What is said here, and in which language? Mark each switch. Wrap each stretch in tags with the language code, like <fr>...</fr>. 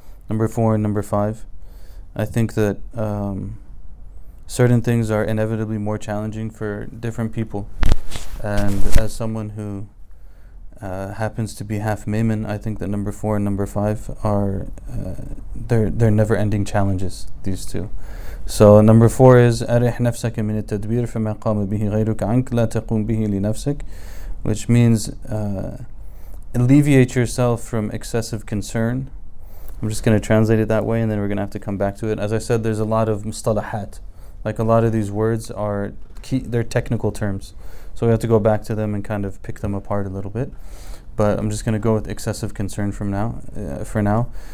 <en>Number four and number five, I think that certain things are inevitably more challenging for different people. And as someone who happens to be half Maimon, I think that number four and number five are they're never-ending challenges, these two. So number four is</en> <ar>أَرِحْ نَفْسَكَ مِنَ التَّدْبِيرِ فَمَا قَامَ بِهِ غَيْرُكَ عَنْكَ لَا تَقُومْ بِهِ لِنَفْسِكَ,</ar> <en>which means alleviate yourself from excessive concern. I'm just going to translate it that way, and then we're going to have to come back to it. As I said, there's a lot of mustalahat. Like, a lot of these words are key, they're technical terms. So we have to go back to them and kind of pick them apart a little bit. But I'm just going to go with excessive concern from now. For now.</en>